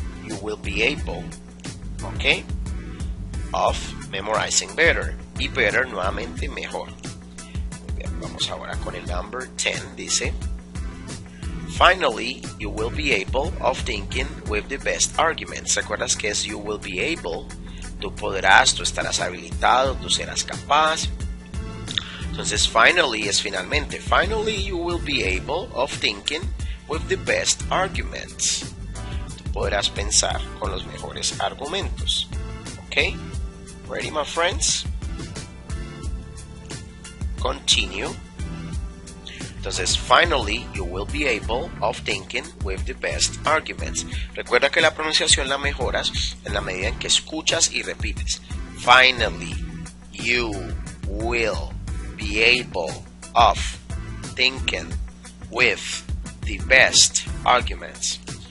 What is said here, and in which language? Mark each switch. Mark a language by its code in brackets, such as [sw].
[en] You will be able, ok, of memorizing better. [es] Y better, nuevamente, mejor. Muy bien, vamos ahora con el number 10, dice. [en] Finally, you will be able of thinking with the best arguments. [es] ¿Recuerdas que es [en] you will be able? [es] Tú podrás, tú estarás habilitado, tú serás capaz. Entonces, finally es finalmente. [en] Finally, you will be able of thinking with the best arguments. [es] Tú podrás pensar con los mejores argumentos. ¿Ok? [en] Ready, my friends? Continue. Entonces, finally, you will be able of thinking with the best arguments. [es] Recuerda que la pronunciación la mejoras en la medida en que escuchas y repites. [en] Finally, you will be able of thinking with the best arguments.